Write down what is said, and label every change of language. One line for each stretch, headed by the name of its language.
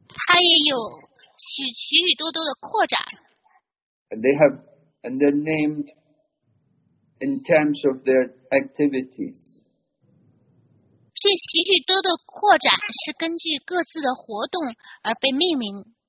Chinese: 他也有许许许多多的扩展。
English: And they have, and they're named in terms of their activities.
Chinese: 这许许多的扩展是根据各自的活动而被命名。